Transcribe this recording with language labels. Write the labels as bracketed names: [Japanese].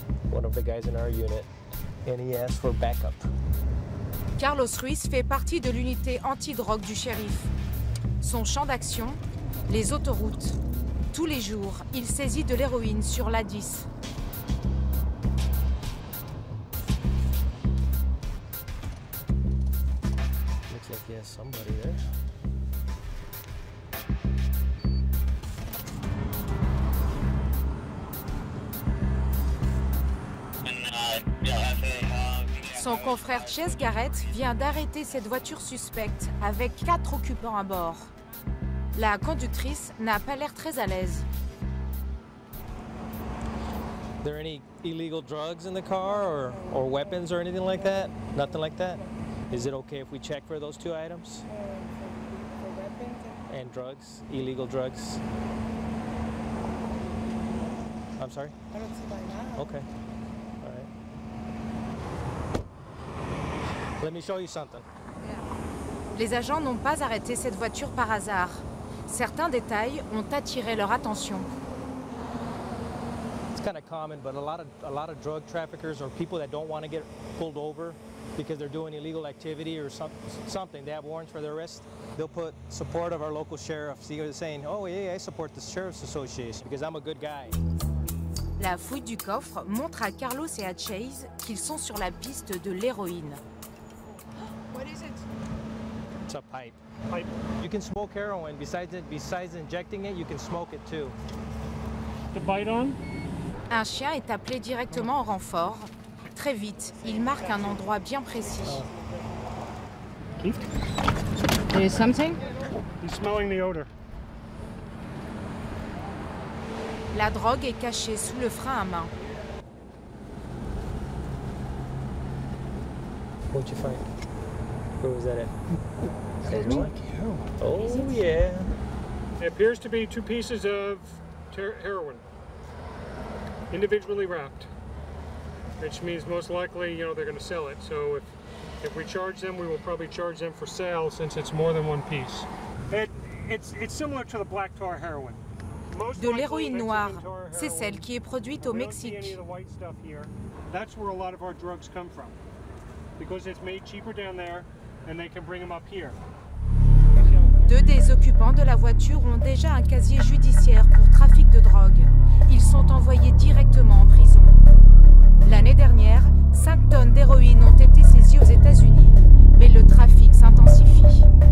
[English] One of the guys in our unit, and he asked for backup. [French] Carlos Ruiz fait partie de l'unité anti-drogue du shérif. Son champ d'action, les autoroutes. Tous les jours, il saisit de l'héroïne sur l'A10. [English] Looks like he has somebody there. [French] Son confrère Chase Garrett vient d'arrêter cette voiture suspecte avec 4 occupants à bord. La conductrice n'a pas l'air très à l'aise. [English] There any illegal drugs in the car or weapons or anything like that? Nothing like that. Is it okay if we check for those two items? For weapons and drugs, illegal drugs. I'm sorry? I don't see why not. Okay. All right. Let me show you something. [French] Les agents n'ont pas arrêté cette voiture par hasard. Certains détails ont attiré leur attention. [English] It's kind of common, but a lot of drug traffickers or people that don't want to get pulled over because they're doing illegal activity or something, they have warrants for their arrest, they'll put support of our local sheriff. So you're saying, oh yeah, I support the Sheriff's Association because I'm a good guy. [French] La fouille du coffre montre à Carlos et à Chase qu'ils sont sur la piste de l'héroïne. [English] What is it? It's a pipe. Pipe. You can smoke heroin. Besides injecting it, you can smoke it too. The bite on? [French] Un chien est appelé directement en renfort. Très vite, il marque un endroit bien précis. [English] Keith? There is something? He's smelling the odor. [French] La drogue est cachée sous le frein à main. [English] What'd you find? Where was that at? Excuse me? Oh, yeah. It appears to be two pieces of heroin. Individually wrapped. Which means most likely, you know, they're going to sell it. So if we charge them, we will probably charge them for sale since it's more than one piece. It's similar to the black tar heroin. Most [French] de l'héroïne noire, c'est celle qui est produite au Mexique. [English] That's where a lot of our drugs come from. Because it's made cheaper down there and they can bring them up here. [French] Deux des occupants de la voiture ont déjà un casier judiciaire pour trafic de drogue. Ils sont envoyés directement en prison. L'année dernière, 5 tonnes d'héroïne ont été saisies aux États-Unis, mais le trafic s'intensifie.